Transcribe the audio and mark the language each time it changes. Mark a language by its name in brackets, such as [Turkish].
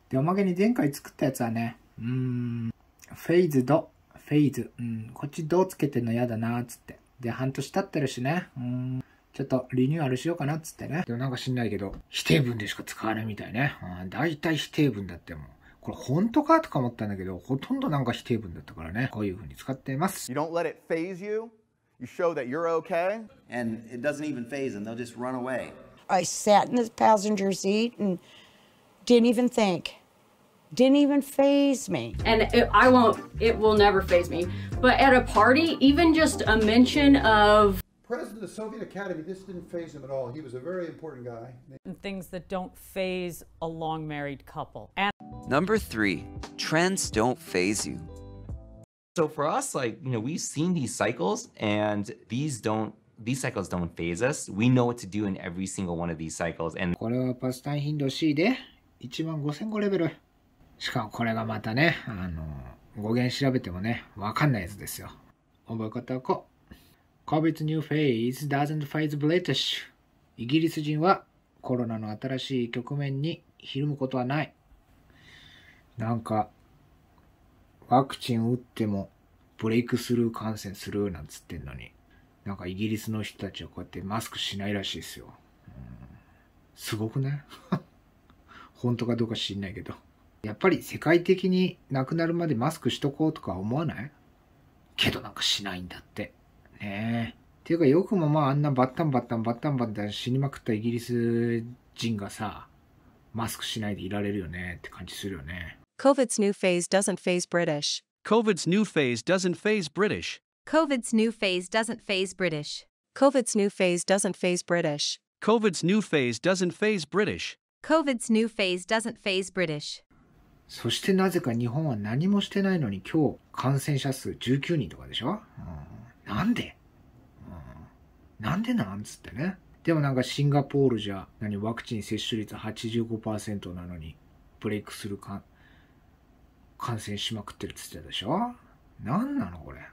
[Japanese] で、おまけに前回作ったやつはね、フェイズド、フェイズ、こっちドつけてんのやだなーつって。で、半年経ってるしね、ちょっとリニューアルしようかなつってね。でもなんか知んないけど、否定文でしか使わないみたいね。大体否定文だっても。これ本当かとか思ったんだけど、ほとんどなんか否定文だったからね。こういう風に使ってます。 [English] You don't let it phase you. You show that you're okay. And it doesn't even phase and they'll just run away. I sat in the passenger seat and didn't even think. Didn't even phase me. And it will never phase me. But at a party, even just a mention of... President of the Soviet Academy, this didn't faze him at all. He was a very important guy. And things that don't faze a long married couple. And- Number three, trends don't faze you. So for us, like, you know, we've seen these cycles and these cycles don't faze us. We know what to do in every single one of these cycles. And [Japanese] これはパスタン頻度 C で15,000個レベル。しかもこれがまたね、語源調べてもね、わかんないやつですよ。覚え方はこう。 [English] COVID's new phase doesn't phase British. [Japanese] イギリス人はコロナの新しい局面にひるむことはない。なんか、ワクチン打ってもブレイクスルー感染するなんつってんのに、なんかイギリスの人たちはこうやってマスクしないらしいですよ。すごくない？本当かどうか知んないけど。やっぱり世界的になくなるまでマスクしとこうとか思わない？けどなんかしないんだって。ねえ。ていうかよくもまああんなバッタンバッタンバッタンバッタン死にまくったイギリス人がさ、マスクしないでいられるよねって感じするよね。 [English] COVID's new phase doesn't phase British. COVID's new phase doesn't phase British. COVID's new phase doesn't phase British. COVID's new phase doesn't phase British. COVID's new phase doesn't phase British. COVID's new phase doesn't phase British. [Japanese] そしてなぜか日本は何もしてないのに今日感染者数19人とかでしょ、なんで、なんでなんつってね。でもなんかシンガポールじゃ何ワクチン接種率 85% なのにブレイクする感染しまくってるっつってたでしょ。なんなのこれ。